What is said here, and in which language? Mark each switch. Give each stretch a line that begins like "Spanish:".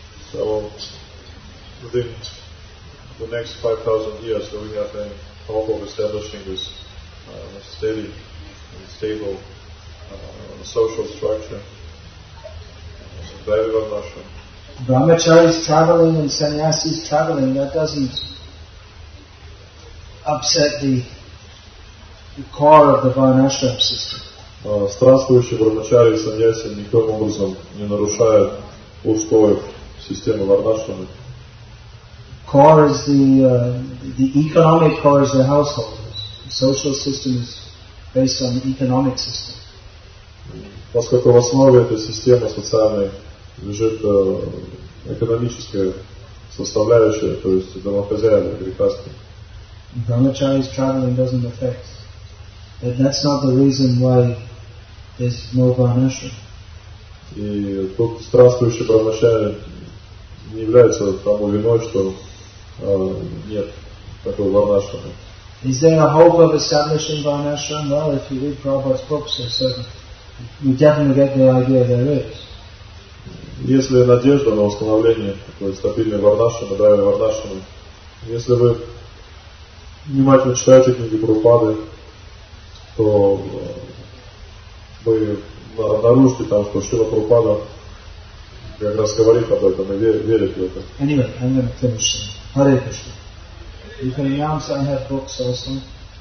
English: So within the next 5,000 years so we have been hope of establishing this steady and stable social structure. Very well, Russia. Brahmacharis traveling and sannyasis traveling, that doesn't upset the core of the Varnashram system.
Russian: Странствующие брахмачари и саньяси никаким образом не нарушают устоев системы варнашрамы.
English: Core is the economic core is the household. The social system is based on the economic system.
Russian: Поскольку в основе этой системы социальной лежит экономическая составляющая, то есть домохозяева, грехасты.
English: Brahmacharis traveling doesn't affect. And that's not the reason why there's no varnashram.
Russian: И тот странствующий брахмачари не является тому виной, что нет такого варнашрама.
English: Is there a hope of establishing varnashram? Well, if you read Prabhupada's books, there's certain. You definitely get the idea there is.
Russian: Если надежда на установление такой стабильной варнашрамы, да, варнашрамы, если вы внимательно читаете книги Прабхупады, то вы обнаружите там, что Шрила Прабхупада как раз говорит об этом и верит в это.
English: Anyway, I'm going to finish. Hare Krishna. You can announce I have books also.